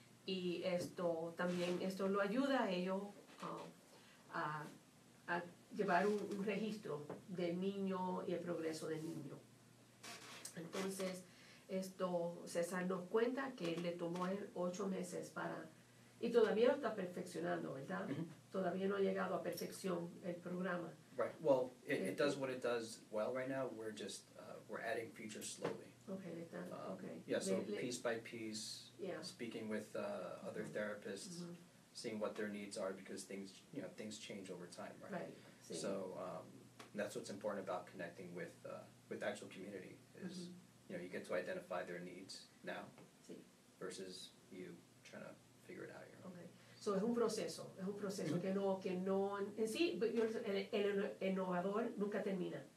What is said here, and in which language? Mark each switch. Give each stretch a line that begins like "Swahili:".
Spanish: Y esto también, esto lo ayuda a ellos a llevar un registro del niño y el progreso del niño. Entonces, esto, César nos cuenta que le tomó 8 meses para, y todavía lo está perfeccionando, ¿verdad? Mm-hmm. Todavía no ha llegado a perfección el programa.
English: Right. Well, it does what it does well right now. We're just, we're adding features slowly. Okay. Yeah, so piece by piece, speaking with other therapists, mm-hmm. seeing what their needs are, because things change over time, right? Right. So that's what's important about connecting with the actual community is, mm-hmm. You get to identify their needs now versus you trying to figure it out here. Okay. So
Spanish: es un proceso mm-hmm. que no, en sí, el innovador nunca termina.